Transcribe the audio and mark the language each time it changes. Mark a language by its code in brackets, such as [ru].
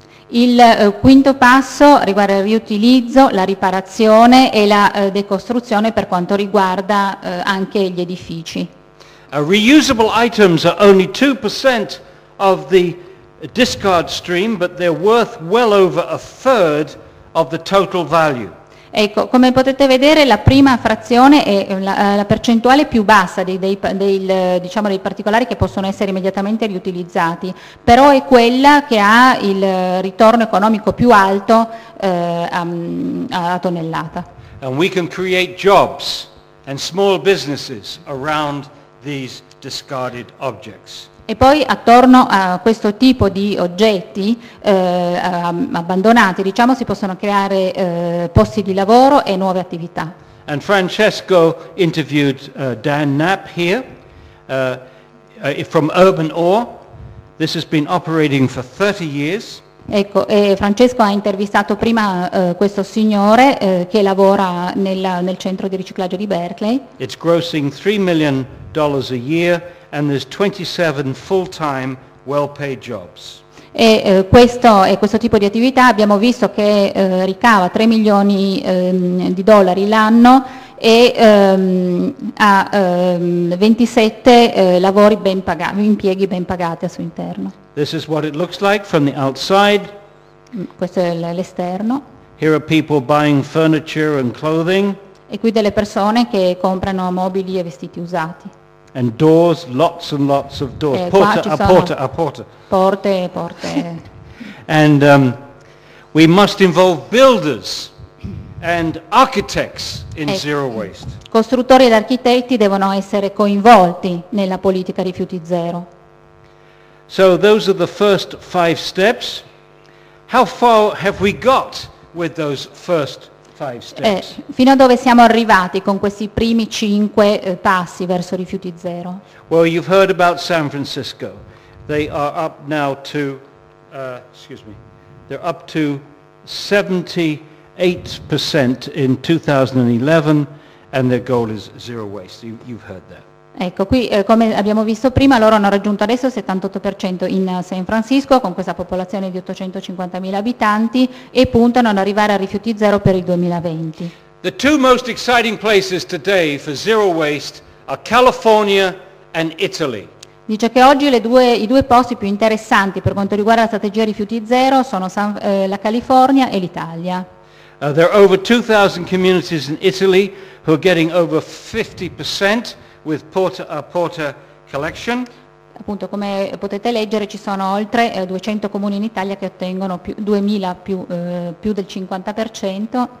[it] Il quinto passo riguarda il riutilizzo, la riparazione e la decostruzione per quanto riguarda anche gli edifici. [en] Reusable items are only 2% of the discard stream, but they're worth well over a third of the total value. [it] Ecco, come potete vedere la prima frazione è la percentuale più bassa dei particolari che possono essere immediatamente riutilizzati, però è quella che ha il ritorno economico più alto a tonnellata. [en] And we can create jobs and small businesses around these discarded objects. [it] E poi attorno a questo tipo di oggetti abbandonati, diciamo, si possono creare posti di lavoro e nuove attività. [en] And Francesco interviewed Dan Knapp here from Urban Ore. This has been operating for 30 years. [it] Ecco, Francesco ha intervistato prima questo signore che lavora nel centro di riciclaggio di Berkeley. [en] It's grossing $3 million a year and there's 27 full-time well-paid jobs. [it] E questo tipo di attività abbiamo visto che ricava 3 milioni di dollari l'anno e ha 27 lavori ben pagati, impieghi ben pagati al suo interno. [en] This is what it looks like from the outside. [it] Questo è l'esterno. [en] Here are people buying furniture and clothing. [it] E qui delle persone che comprano mobili e vestiti usati. [en] And doors, lots and lots of doors. [it] Porta a porta. Porte. [en] And we must involve builders and architects in zero waste. [it] Costruttori ed architetti devono essere coinvolti nella politica rifiuti zero. [en] So those are the first five steps. How far have we got with those first five steps? [it] Fino a dove siamo arrivati con questi primi cinque passi verso rifiuti zero? [en] Well, you've heard about San Francisco. They are up now to, they're up to 78% in 2011 and their goal is zero waste. You've heard that. [it] Ecco, qui come abbiamo visto prima, loro hanno raggiunto adesso il 78% in San Francisco con questa popolazione di 850.000 abitanti e puntano ad arrivare a rifiuti zero per il 2020. [en] The two most exciting places today for zero waste are California and Italy. [it] Dice che oggi i due posti più interessanti per quanto riguarda la strategia rifiuti zero sono la California e l'Italia. [en] There are over 2,000 communities in Italy who are getting over 50% with porta a porta collection. [it] Appunto, come potete leggere, ci sono oltre 200 comuni in Italia che ottengono più del 50%.